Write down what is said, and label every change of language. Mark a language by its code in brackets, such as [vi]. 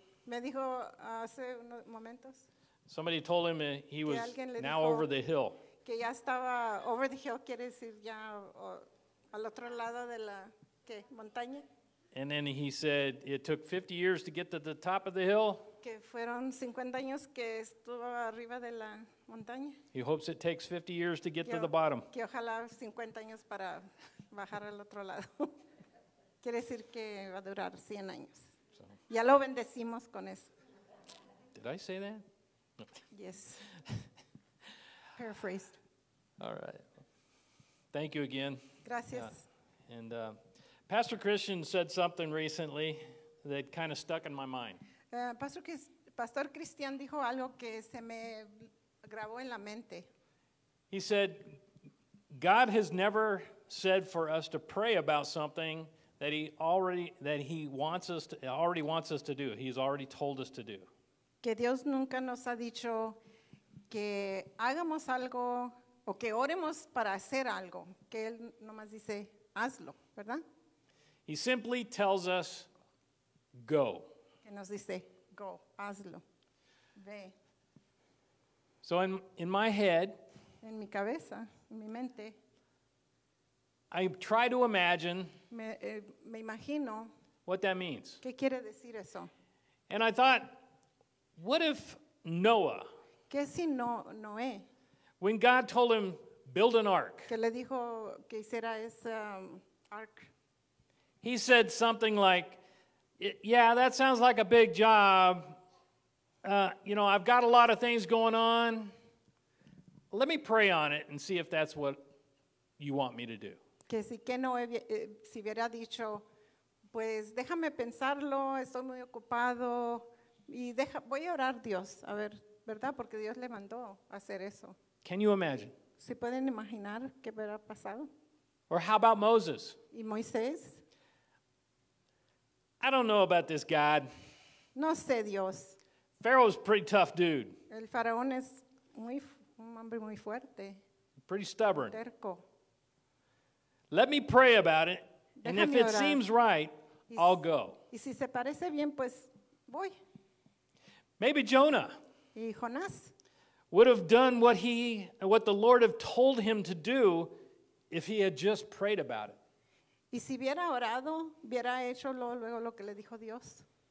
[es] Me dijo hace unos momentos. [en] Somebody told him he was now over the hill. [es] Que ya estaba [en] over the hill, [es] quiere decir ya al otro lado de la, ¿qué? ¿Montaña? [en] And then he said it took 50 years to get to the top of the hill. [es] Que fueron 50 años que estuvo arriba de la montaña. [en] He hopes it takes 50 years to get to the bottom. [es] Que ojalá 50 años para bajar al otro lado. Quiere decir que va a durar 100 años. So. Ya lo bendecimos con eso. [en] Did I say that? Yes. Paraphrased. All right. Thank you again. [es] Gracias. [en] And Pastor Christian said something recently that kind of stuck in my mind. [es] Pastor Christian dijo algo que se me grabó en la mente. [en] He said, God has never said for us to pray about something that he already wants us to do. He's already told us to do. [es] Que Dios nunca nos ha dicho que hagamos algo o que oremos para hacer algo. Que Él nomás dice, hazlo, ¿verdad? [en] He simply tells us, go. [es] Que nos dice, go, hazlo, ve. [en] So in my head, [es] en mi cabeza, en mi mente, [en] I try to imagine [es] me imagino [en] what that means. [es] ¿Qué quiere decir eso? [en] And I thought, what if Noah, [es] ¿qué si no, Noé? [en] When God told him, build an ark, [es] que le dijo que hiciera ese ark, [en] he said something like, yeah, that sounds like a big job. I've got a lot of things going on. Let me pray on it and see if that's what you want me to do. [es] Que si que no si hubiera dicho, pues déjame pensarlo, estoy muy ocupado, y deja, voy a orar Dios, a ver, ¿verdad? Porque Dios le mandó hacer eso. [en] Can you imagine? [es] ¿Se pueden imaginar qué hubiera pasado? [en] Or how about Moses? [es] ¿Y Moisés? [en] I don't know about this God. [es] No sé Dios. [en] Pharaoh's a pretty tough dude. [es] El faraón es muy, un hombre muy fuerte. [en] Pretty stubborn. [es] Terco. [en] Let me pray about it, and if it seems right, I'll go. [es] Y si se parece bien, pues voy. [en] Maybe Jonah. [es] Y Jonás. [en] Would have done what the Lord had told him to do if he had just prayed about it. [es] Y si hubiera orado, hubiera hecho luego lo que le dijo Dios.